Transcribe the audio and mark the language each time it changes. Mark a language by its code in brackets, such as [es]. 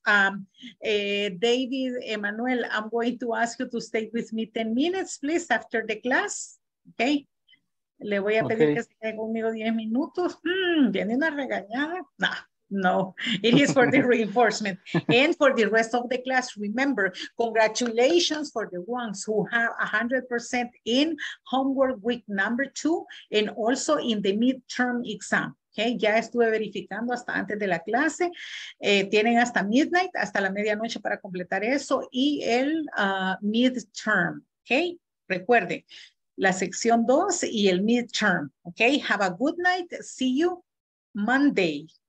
[en] David, Emmanuel, I'm going to ask you to stay with me 10 minutes, please, after the class. Ok. [es] Le voy a pedir que se quede conmigo 10 minutos. [en] ¿Viene una regañada? No. It is for the reinforcement. And for the rest of the class, remember, congratulations for the ones who have 100% in homework week number 2 and also in the midterm exam. [es] Okay, ya estuve verificando hasta antes de la clase. Tienen hasta midnight, hasta la medianoche para completar eso. Y el midterm. Okay, recuerde. La sección 2 y el midterm. Okay, have a good night. [en] See you Monday.